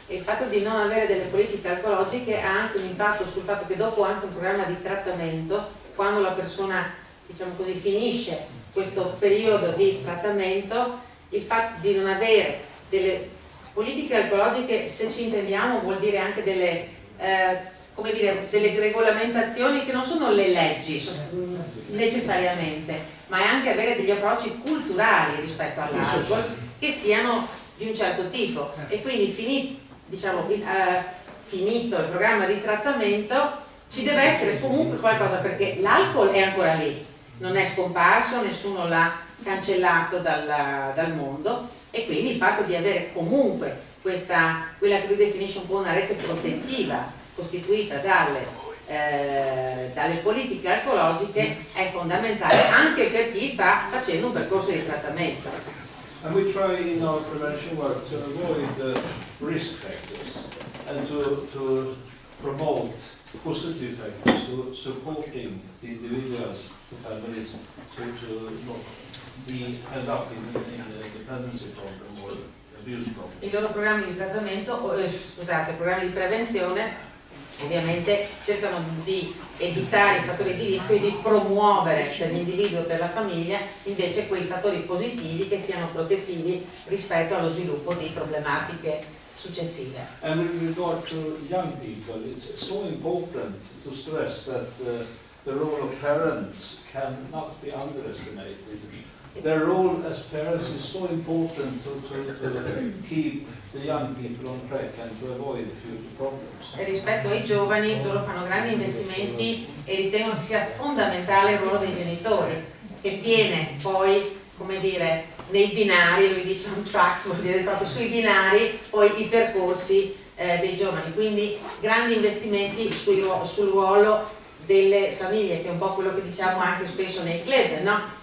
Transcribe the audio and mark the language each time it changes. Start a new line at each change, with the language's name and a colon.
Italian: Il fatto di non avere delle politiche alcolologiche ha anche un impatto sul fatto che dopo anche un programma di trattamento, quando la persona, diciamo così, finisce questo periodo di trattamento, il fatto di non avere delle politiche alcolologiche, se ci intendiamo, vuol dire anche delle come dire, delle regolamentazioni che non sono le leggi necessariamente, ma è anche avere degli approcci culturali rispetto all'alcol che siano di un certo tipo. E quindi finito il programma di trattamento, ci deve essere comunque qualcosa, perché l'alcol è ancora lì, non è scomparso, nessuno l'ha cancellato dal mondo, e quindi il fatto di avere comunque questa, quella che lui definisce un po' una rete protettiva costituita dalle politiche alcolologiche è fondamentale anche per chi sta facendo un percorso di trattamento.
English: And we try in our prevention work to avoid the risk factors and to promote positive factors, so supporting the individuals, the families, to not be end up in a dependency problem or abuse problem.
Italian: I loro programmi di trattamento, programmi di prevenzione, ovviamente cercano di evitare i fattori di rischio e di promuovere per l'individuo e per la famiglia invece quei fattori positivi che siano protettivi rispetto allo sviluppo di problematiche successive.
English: And with regard to young people, it's so important to stress that the role of parents cannot be underestimated. Their role as parents is so important to keep the young people on track and to avoid future problems.
Italian: E rispetto ai giovani, loro fanno grandi investimenti e ritengono che sia fondamentale il ruolo dei genitori, che tiene poi, come dire, nei binari, lui dice
English: on tracks,
Italian: vuol dire proprio sui binari, poi i percorsi dei giovani. Quindi grandi investimenti sul ruolo delle famiglie, che è un po' quello che diciamo anche spesso nei club, no?